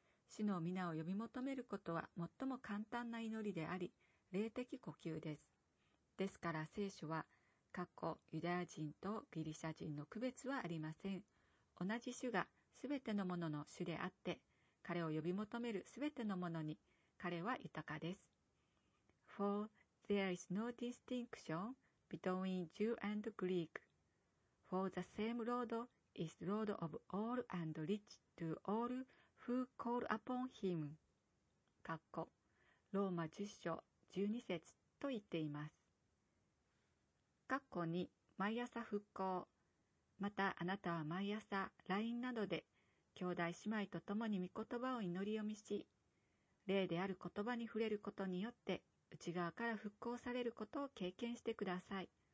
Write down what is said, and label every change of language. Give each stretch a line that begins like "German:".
Japanese: 主の皆を呼び求めることは最も簡単な祈りであり、霊的呼吸です。ですから聖書は、ユダヤ人とギリシャ人の区別はありません。同じ主がすべてのものの主であって、彼を呼び求めるすべてのものに彼は豊かです。
English: There is no distinction between Jew and Greek. For the same Lord is Lord of all and rich to all who call upon him.
Japanese: ローマ10章12節と言っています。括弧に毎朝復興、またあなたは毎朝 LINE などで兄弟姉妹と共に御言葉を祈り読みし、霊である言葉に触れることによって内側から復興されることを経験してください。